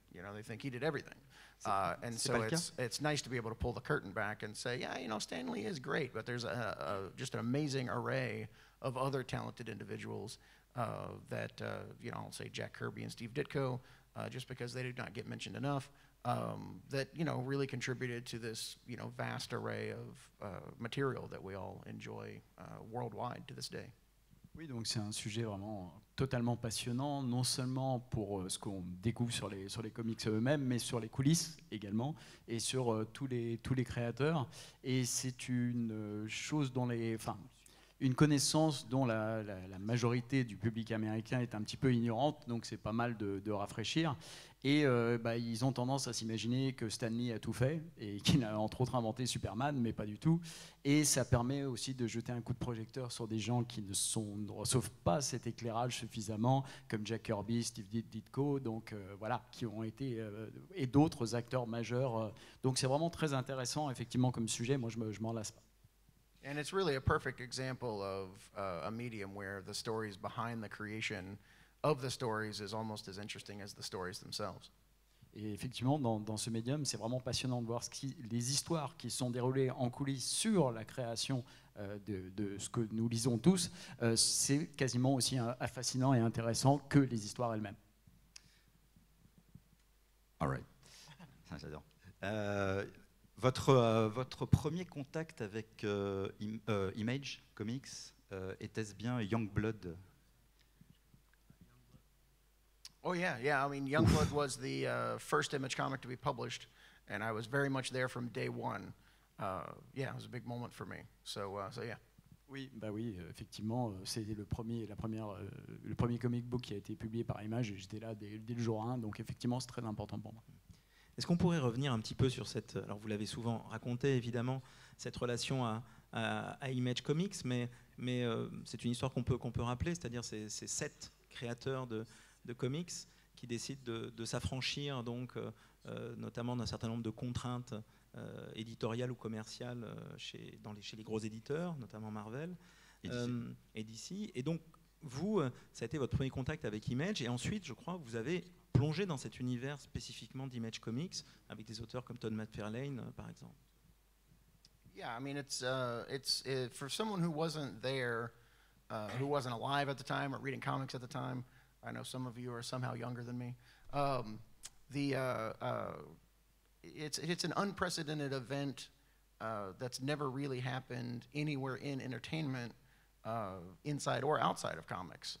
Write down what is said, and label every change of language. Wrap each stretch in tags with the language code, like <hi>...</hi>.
<en>You know, they think he did everything. It's nice to be able to pull the curtain back and say, yeah, Stan Lee is great, but there's just an amazing array of other talented individuals I'll say Jack Kirby and Steve Ditko, just because they did not get mentioned enough, that really contributed to this, vast array of material that we all enjoy worldwide to this day.</en> <fr>Oui, donc c'est un sujet vraiment totalement passionnant, non seulement pour ce qu'on découvre sur les comics eux-mêmes, mais sur les coulisses également, et sur tous les créateurs. Et c'est une chose dont une connaissance dont la majorité du public américain est un petit peu ignorante, donc c'est pas mal de rafraîchir. Et ils ont tendance à s'imaginer que Stan Lee a tout fait, et qu'il a entre autres inventé Superman, mais pas du tout. Et ça permet aussi de jeter un coup de projecteur sur des gens qui ne reçoivent pas cet éclairage suffisamment, comme Jack Kirby, Steve Ditko, qui ont été, et d'autres acteurs majeurs. Donc c'est vraiment très intéressant, effectivement, comme sujet. Moi, je m'en lasse pas.</fr> <en>And it's really a perfect example of a medium where the stories behind the creation of the stories is almost as interesting as the stories themselves.</en> <fr>Et effectivement, dans ce médium, c'est vraiment passionnant de voir les histoires qui sont déroulées en coulisses sur la création de ce que nous lisons tous. C'est quasiment aussi fascinant et intéressant que les histoires elles-mêmes.</fr> <en>All right.</en> <fr>Ça, j'adore. Votre premier contact avec Image Comics, était-ce bien Youngblood?</fr> <en>Oh yeah, yeah. I mean, Youngblood was the first Image comic to be published, and I was very much there from day one. It was a big moment for me. So yeah.</en> <fr>Oui, bah oui, effectivement, c'était le premier comic book qui a été publié par Image. J'étais là dès le jour 1, donc effectivement, c'est très important pour moi. Est-ce qu'on pourrait revenir un petit peu sur cette, alors vous l'avez souvent raconté, évidemment, cette relation à Image Comics, mais c'est une histoire qu'on peut rappeler, c'est-à-dire c'est 7 créateurs de comics qui décide de s'affranchir donc notamment d'un certain nombre de contraintes éditoriales ou commerciales chez les gros éditeurs, notamment Marvel et DC. Et donc vous, ça a été votre premier contact avec Image, et ensuite, je crois, vous avez plongé dans cet univers spécifiquement d'Image Comics avec des auteurs comme Todd McFarlane, par exemple.</fr> <en>Yeah, I mean, it's for someone who wasn't there, who wasn't alive at the time or reading comics at the time. I know some of you are somehow younger than me. It's an unprecedented event that's never really happened anywhere in entertainment, inside or outside of comics.</en>